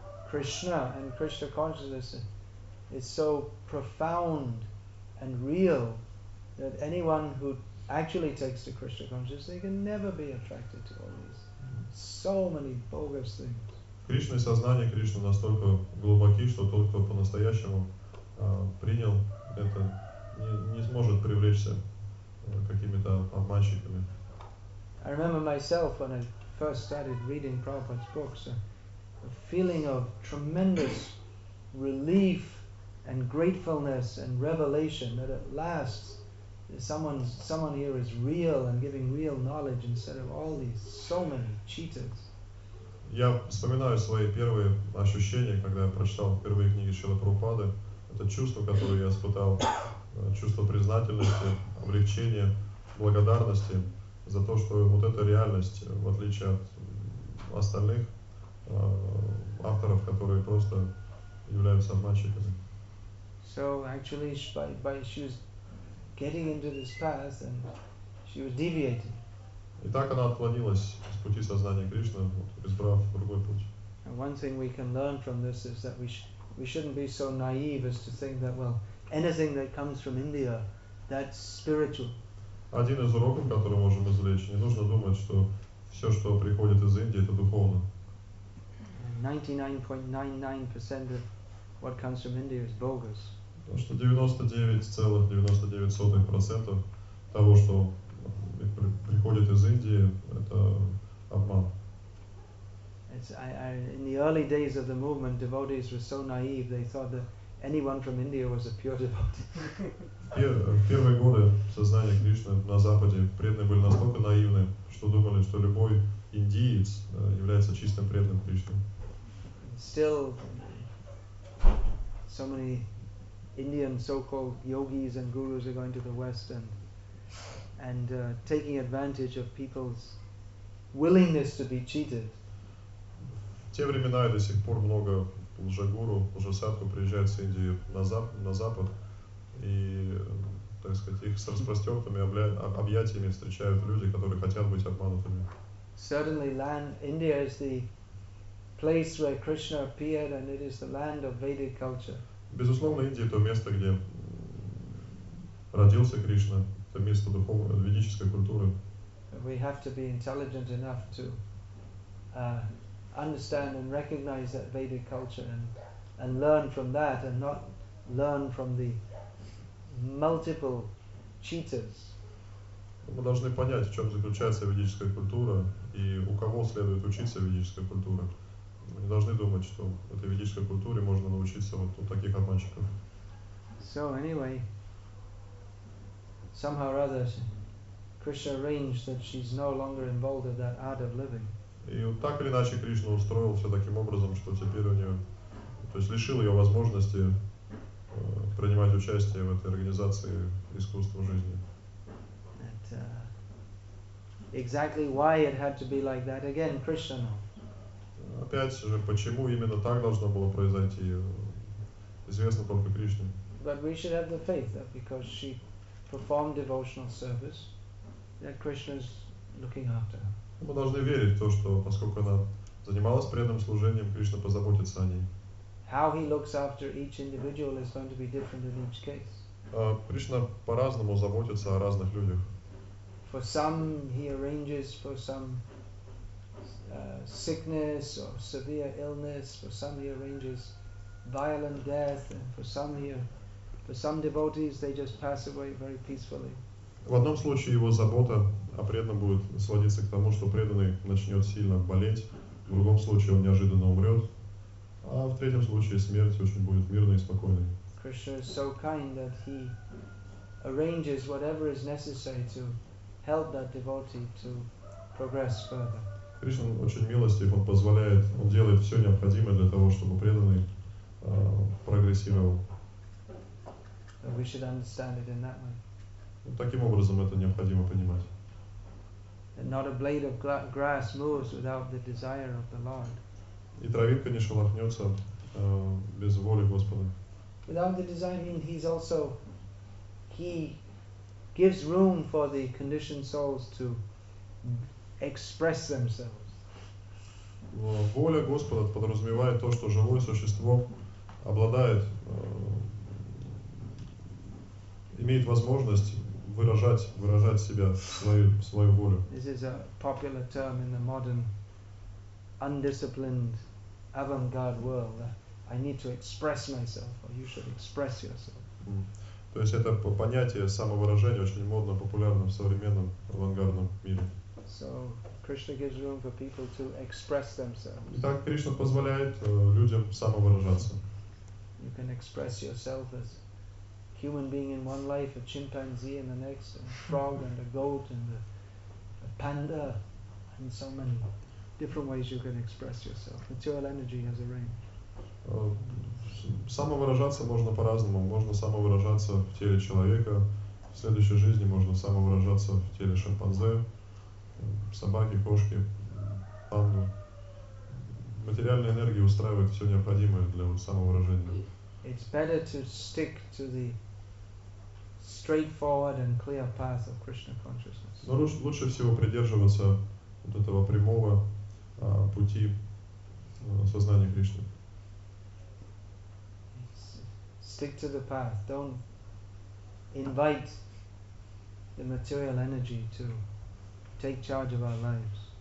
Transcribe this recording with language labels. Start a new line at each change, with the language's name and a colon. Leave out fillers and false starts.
English: Krishna and Krishna consciousness is so profound and real that anyone who actually takes to Krishna consciousness, they can never be attracted to all these so many bogus things.
Russian: Кришна и сознание Кришны настолько глубоки, что тот, кто по-настоящему принял это, не сможет привлечься какими-то обманщиками.
English: I remember myself when I first started reading Prabhupada's books, a feeling of tremendous relief and gratefulness and revelation that at last someone here is real and giving real knowledge instead of all these so many cheaters.
Russian: Я вспоминаю свои первые ощущения, когда я прочитал первые книги Шрилы Прабхупады. Это чувство, которое я испытал, чувство признательности, облегчения, благодарности за то, что вот эта реальность, в отличие от остальных авторов, которые просто являются обманщиками.
English: So actually, she was getting into this path and she was deviating.
Russian: И так она отклонилась с пути сознания Кришны, вот, избрав другой путь.
English: And one thing we can learn from this is that we shouldn't be so naive as to think that, well, anything that comes from India, that's spiritual.
Russian: Один из уроков, который можем извлечь, не нужно думать, что все, что приходит из Индии, это духовно.
English: 99.99% of what comes from India is bogus.
Russian: Потому что 99.99% того, что приходит из Индии, это обман.
English: In the early days of the movement, devotees were so naive, they thought that anyone from India was a pure devotee.
Russian: В первые годы сознание Кришны на Западе преданные были настолько наивны, что думали, что любой индиец является чистым преданным Кришны.
English: Still, so many Indian so-called yogis and gurus are going to the West and taking advantage of people's willingness to be cheated.
Russian: В те времена до сих пор много лжегуру, лжесадху приезжают с Индии на Запад и, так сказать, их с распростертыми объятиями встречают люди, которые хотят быть обманутыми.
English: Certainly, land India is the place where Krishna appeared, and it is the land of Vedic culture.
Russian: Безусловно, Индия — то место, где родился Кришна, это место духовной, ведической культуры.
English: We have to be intelligent enough to understand and recognize that Vedic culture and learn from that and not learn from the multiple cheaters.
Russian: Мы должны понять, в чем заключается ведическая культура и у кого следует учиться ведической культуре. Мы не должны думать, что в этой ведической культуре можно научиться вот у таких обманщиков.
English: So anyway, somehow or other, Krishna arranged that she's no longer involved in that art of living.
Russian: И вот так или иначе Кришна устроил все таким образом, что теперь у нее, то есть лишил ее возможности принимать участие в этой организации искусства жизни.
English: That, exactly why it had to be like that again, Krishna knows.
Russian: Опять же, почему именно так должно было произойти, известно только Кришне.
English: But we should have the faith that because she performed devotional service, that Krishna is looking after her.
Russian: Мы должны верить в то, что поскольку она занималась преданным служением, Кришна позаботится о ней.
English: How he looks after each individual is going to be different in each case.
Russian: Кришна по-разному заботится о разных людях.
English: For some, he arranges for some sickness or severe illness, for some he arranges violent death, and for some devotees they just pass away very peacefully.
Russian: В одном случае его забота о преданном будет сводиться к тому, что преданный начнет сильно болеть, в другом случае он неожиданно умрет, а в третьем случае смерть очень будет мирной и спокойной.
English: Krishna is so kind that he arranges whatever is necessary to help that devotee to progress further.
Russian: Кришна очень милостив, он позволяет, он делает все необходимое для того, чтобы преданный прогрессировал.
English: We should understand it in that way.
Russian: Вот таким образом это необходимо понимать.
English: And not a blade of grass moves without the desire of the Lord.
Russian: И травинка не шелохнется без воли Господа.
English: Without the desire, he's also, he gives room for the conditioned souls to express themselves.
Russian: Воля Господа подразумевает то, что живое существо обладает, имеет возможность выражать себя, свою волю.
English: This is a popular term in the modern undisciplined avant-garde world. I need to express myself, or you should express yourself.
Russian: То есть это понятие самовыражения очень модно, популярно в современном авангардном мире.
English: So Krishna gives room for people to express themselves.
Russian: Итак, Кришна позволяет людям самовыражаться.
English: You can express yourself as human being in one life, a chimpanzee in the next, a frog and a goat and a panda, and so many different ways you can express yourself. Material energy has a range.
Russian: Самовыражаться можно по-разному. Можно самовыражаться в теле человека, в следующей жизни можно самовыражаться в теле шимпанзе, собаки, кошки, панду. Материальная энергия устраивает все необходимое для самовыражения.
English: It's better to stick to the straightforward and clear path of Krishna consciousness.
Russian: Но лучше всего придерживаться вот этого прямого пути сознания Кришны.
English: Stick to the path. Don't invite the material energy to take charge of our lives.